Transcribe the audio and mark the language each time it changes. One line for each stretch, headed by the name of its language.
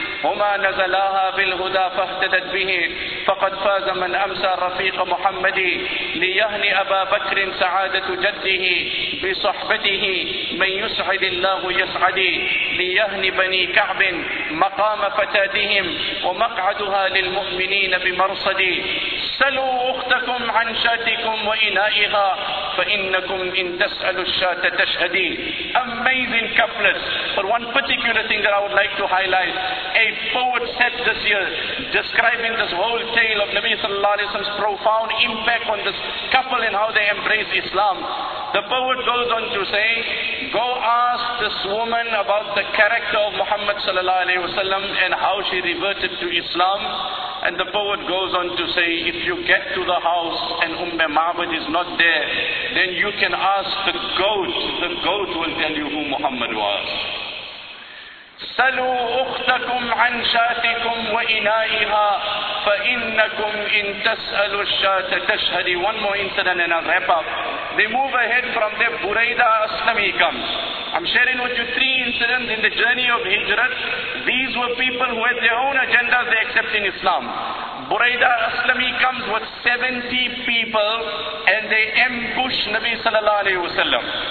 Arabic: وما نزلاها بالهدى فاهتدت به، فقد فاز من أمسى رفيق محمد ليهني أبا بكر سعادة جده بصحبته، من يسعد الله يسعدي ليهني بني كعب مقام فتاتهم ومقعدها للمؤمنين بمرصدي. سلوا أختكم عن شاتكم وإنائها فإنكم إن تسألوا الشات تشهدي.
English: Amazing couplets. But one particular thing that I would like to highlight, a poet said this year, describing this whole tale of Nabi Sallallahu Alaihi Wasallam's profound impact on this couple and how they embrace Islam. The poet goes on to say, go ask this woman about the character of Muhammad Sallallahu Alaihi Wasallam and how she reverted to Islam. And the poet goes on to say, if you get to the house and Umme Ma'bad is not there, then you can ask the goat. The goat will tell you who Muhammad was.
Arabic: سلوا أختكم عن شاتكم وإنائها فإنكم إن تسألوا الشات تشهد.
English: One more incident and I'll wrap up. They move ahead from there. Buraida Aslami comes. I'm sharing with you three incidents in the journey of Hijrat. These were people who had their own agendas they accept in Islam. Buraida Aslami comes with 70 people and they ambush Nabi Sallallahu Alaihi Wasallam.